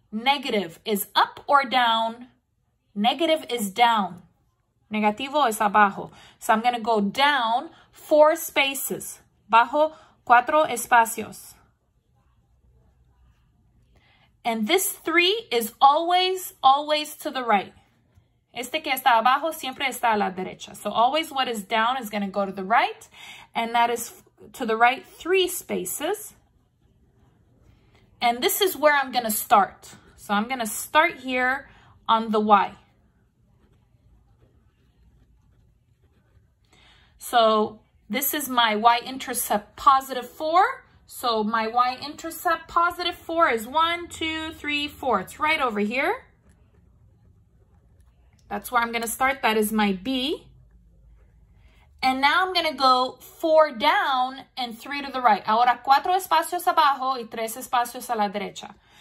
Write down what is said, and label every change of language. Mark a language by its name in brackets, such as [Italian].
[English] Negative is up or down. Negative is down. [Spanish] Negativo es abajo. [English] So I'm going to go down 4 spaces. [Spanish] Bajo 4 espacios. [English] And this 3 is always, always to the right. [Spanish] Este que está abajo siempre está a la derecha. [English] So always what is down is going to go to the right. And that is to the right 3 spaces. And this is where I'm going to start. So I'm going to start here on the y. So this is my y-intercept +4. So my y-intercept, positive 4 is 1, 2, 3, 4. It's right over here. That's where I'm going to start. That is my B. And now I'm going to go 4 down and 3 to the right. [Spanish] Ahora 4 espacios abajo y 3 espacios a la derecha.